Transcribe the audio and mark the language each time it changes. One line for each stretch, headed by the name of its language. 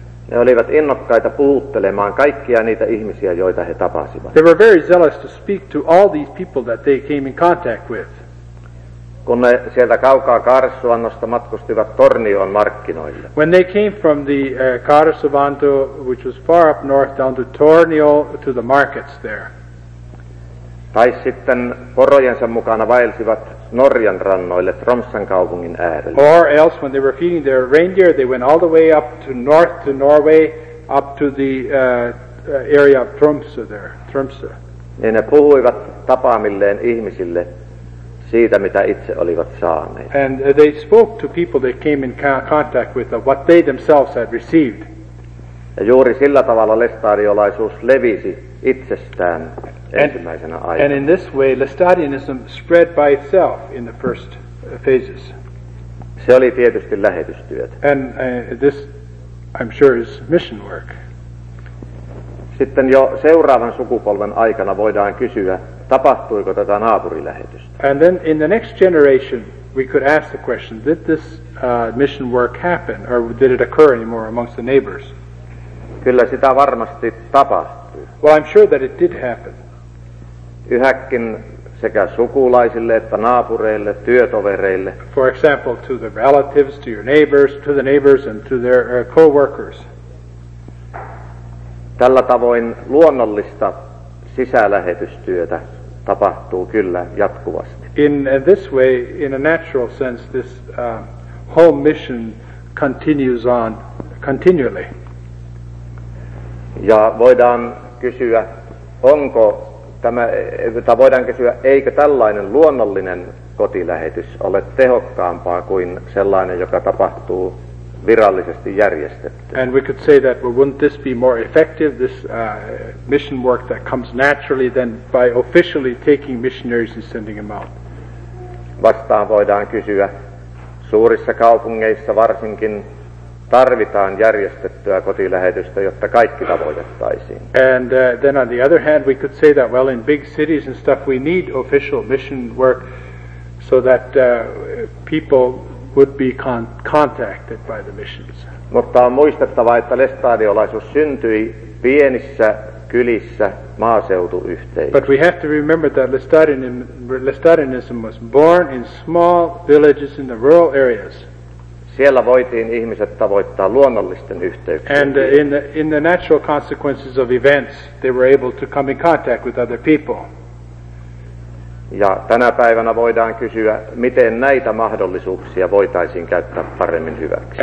Finnish: Ne olivat innokkaita puhuttelemaan kaikkia niitä ihmisiä, joita he tapasivat.
English: They were very zealous to speak to all these people that they came in contact with.
Finnish: Kun ne sieltä kaukaa Kaaresuvannosta matkustivat Tornion markkinoille.
English: When they came from the Kaaresuvanto, which was far up north, down to Tornio, to the markets there.
Finnish: Tai sitten porojensa mukana vaelsivat Norjan rannoille Tromsan kaupungin äärelle.
English: Or else when they were feeding their reindeer, they went all the way up to north to Norway, up to the area of Tromsø there, Tromsø.
Finnish: Niin ne puhuivat tapaamilleen ihmisille siitä, mitä itse olivat saaneet.
English: And they spoke to people they came in contact with of what they themselves had received.
Finnish: Ja juuri sillä tavalla lestadiolaisuus levisi itsestään.
English: And in this way, Lestadianism spread by itself in the first phases.
Finnish: Se oli tietysti lähetystyötä.
English: And this, I'm sure, is mission work.
Finnish: Sitten jo seuraavan sukupolven aikana voidaan kysyä, tapahtuiko tätä naapurilähetystä.
English: And then in the next generation, we could ask the question, did this mission work happen, or did it occur anymore amongst the neighbors?
Finnish: Kyllä sitä varmasti tapahtui.
English: Well, I'm sure that it did happen.
Finnish: Yhäkin sekä sukulaisille että naapureille, työtovereille.
English: For example, to the relatives, to your neighbors, to the neighbors and to their co-workers.
Finnish: Tällä tavoin luonnollista sisälähetystyötä tapahtuu kyllä jatkuvasti.
English: In this way, in a natural sense, this whole mission continues on continually.
Finnish: Ja voidaan kysyä, onko tämä voidaan kysyä, eikö tällainen luonnollinen kotilähetys ole tehokkaampaa kuin sellainen, joka tapahtuu virallisesti järjestetty.
English: And we could say that, well, wouldn't this be more effective, this mission work that comes naturally, than by officially taking missionaries and sending them out?
Finnish: Vastaan voidaan kysyä, suurissa kaupungeissa varsinkin tarvitaan järjestettyä kotilähetystä, jotta kaikki tavoitettaisiin.
English: And then on the other hand, we could say that, well, in big cities and stuff, we need official mission work so that people would be contacted by the missions.
Finnish: Mutta on muistettava, että lestadiolaisuus syntyi pienissä kylissä maaseutuyhteisöissä.
English: But we have to remember that Lestadianism was born in small villages in the rural areas.
Finnish: Siellä voitiin ihmiset tavoittaa luonnollisten yhteyksien.
English: And in the natural consequences of events, they were able to come in contact with other people.
Finnish: Ja tänä päivänä voidaan kysyä, miten näitä mahdollisuuksia voitaisiin käyttää paremmin hyväksi.